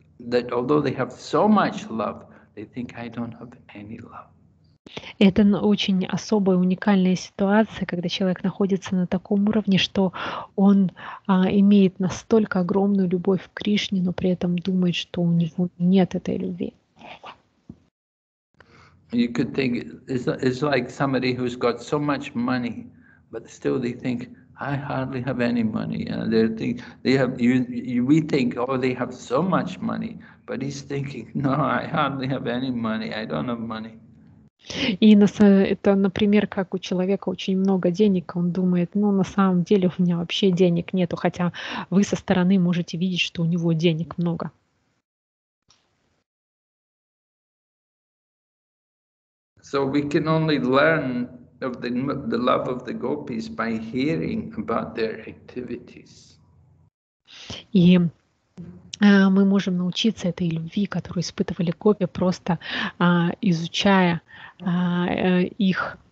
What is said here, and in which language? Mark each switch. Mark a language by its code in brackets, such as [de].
[en] That although they have so much love, they think I don't have any love. [ru] Это очень особая, уникальная ситуация, когда человек находится на таком уровне, что он имеет настолько огромную любовь к Кришне, но при этом думает, что у него нет этой любви. [en] You could think it's like somebody who's got so much money, but still they think, I hardly have any money. And we think, oh, they have so much money, but he's thinking, no, I hardly have any money, I don't have money. [ru] И это, например, как у человека очень много денег, он думает, ну, на самом деле у меня вообще денег нету, хотя вы со стороны можете видеть, что у него денег много. [en] So we can only learn of the love of the gopis by hearing about their activities. [ru] И мы можем научиться этой любви, которую испытывали гопи, просто изучая их